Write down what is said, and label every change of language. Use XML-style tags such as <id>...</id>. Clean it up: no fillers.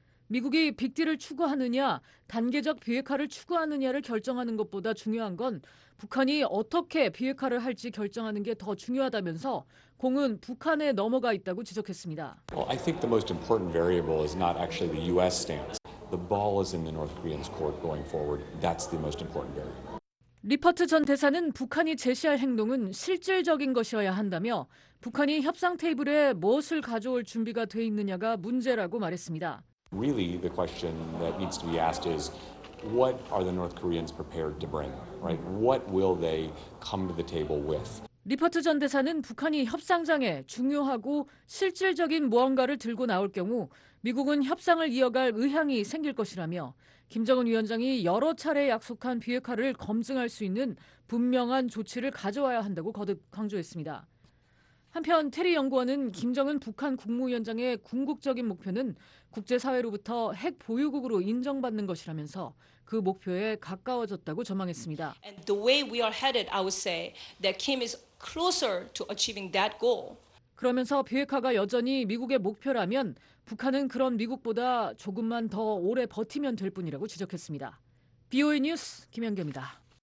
<ko>미국이 빅딜을 추구하느냐, 단계적 비핵화를 추구하느냐를 결정하는 것보다 중요한 건 북한이 어떻게 비핵화를 할지 결정하는 게 더 중요하다면서 공은 북한에 넘어가 있다고 지적했습니다.</ko> <en>Well, I think the most important variable is not actually the US stance. The ball is in the North Koreans' court going forward. That's the most important variable.</en> <ko>리퍼트 전 대사는 북한이 제시할 행동은 실질적인 것이어야 한다며 북한이 협상 테이블에 무엇을 가져올 준비가 돼 있느냐가 문제라고 말했습니다.</ko> <en>Really, the question that needs to be asked is, what are the North Koreans prepared to bring? Right? What will they come to the table with?</en> <ko>리퍼트 전 대사는 북한이 협상장에 중요하고 실질적인 무언가를 들고 나올 경우 미국은 협상을 이어갈 의향이 생길 것이라며 김정은 위원장이 여러 차례 약속한 비핵화를 검증할 수 있는 분명한 조치를 가져와야 한다고 거듭 강조했습니다. 한편 테리 연구원은 김정은 북한 국무위원장의 궁극적인 목표는 국제사회로부터 핵 보유국으로 인정받는 것이라면서 그 목표에 가까워졌다고 전망했습니다.</ko> <en>And the way we are headed, I would say that Kim is closer to achieving that goal.</en> <ko>그러면서 비핵화가 여전히 미국의 목표라면 북한은 그런 미국보다 조금만 더 오래 버티면 될 뿐이라고 지적했습니다. BOA 뉴스 김연경입니다.</ko>